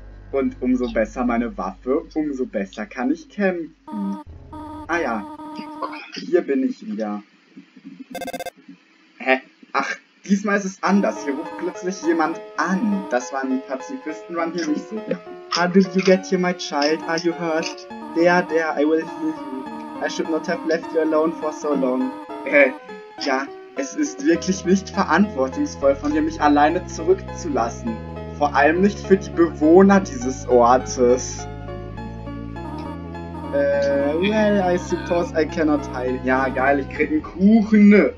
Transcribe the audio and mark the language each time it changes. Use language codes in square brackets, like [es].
[de] Und umso besser meine Waffe, umso besser kann ich kämpfen. Ah ja, hier bin ich wieder. Hä? Ach, diesmal ist es anders. Hier ruft plötzlich jemand an. Das war ein Pazifisten-Run hier nicht so. [en] How did you get here, my child? Are you hurt? There, I will heal you. I should not have left you alone for so long. [de] Ja, es ist wirklich nicht verantwortungsvoll von dir, mich alleine zurückzulassen. Vor allem nicht für die Bewohner dieses Ortes. [en] Well, I suppose I cannot heal. [de] Ja, geil, ich krieg einen Kuchen.